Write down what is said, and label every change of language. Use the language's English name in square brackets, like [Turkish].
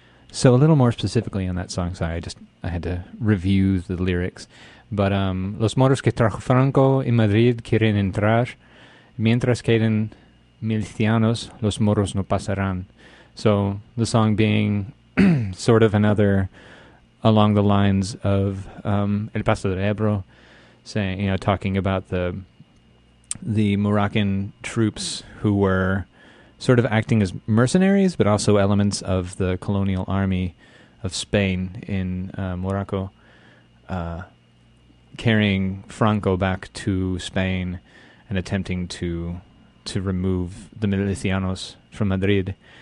[English] So a little more specifically on that song, sorry, I had to review the lyrics. [Spanish] But los moros que trajo Franco en Madrid quieren entrar, mientras queden milicianos, los moros no pasarán. [English] So the song being sort of another along the lines of El Paso del Ebro, saying, you know, talking about the Moroccan troops who were sort of acting as mercenaries, but also elements of the colonial army of Spain in Morocco, carrying Franco back to Spain and attempting to remove the milicianos from Madrid.